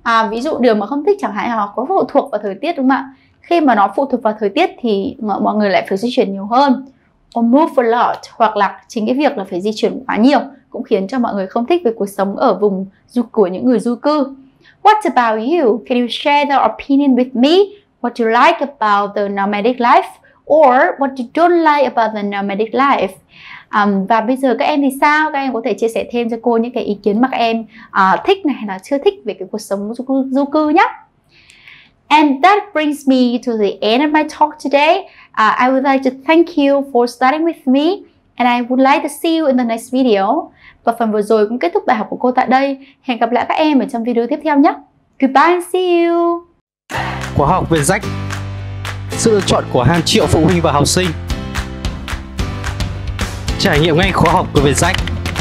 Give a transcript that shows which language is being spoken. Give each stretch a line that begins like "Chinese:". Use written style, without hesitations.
Vietnamese: Ví dụ điều mà không thích chẳng hạn là có phụ thuộc vào thời tiết đúng không ạ? Khi mà nó phụ thuộc vào thời tiết thì mọi người lại phải di chuyển nhiều hơn.
English: Or move a lot.
Vietnamese: Hoặc là chính cái việc là phải di chuyển quá nhiều cũng khiến cho mọi người không thích về cuộc sống ở vùng của những người du cư.
English: What about you? Can you share the opinion with me? What you like about the nomadic life? Or what you don't like about the nomadic life?
Vietnamese: Và bây giờ các em thì sao? Các em có thể chia sẻ thêm cho cô những cái ý kiến mà các em thích này hay là chưa thích về cái cuộc sống du cư nhé.
English: And that brings me to the end of my talk today. I would like to thank you for studying with me and I would like to see you in the next video.
Vietnamese: Và phần vừa rồi cũng kết thúc bài học của cô tại đây. Hẹn gặp lại các em ở trong video tiếp theo nhé.
English: Goodbye and see you.
Vietnamese: Khóa học Việt Rách, sự lựa chọn của hàng triệu phụ huynh và học sinh. Trải nghiệm ngay khóa học của Việt Rách.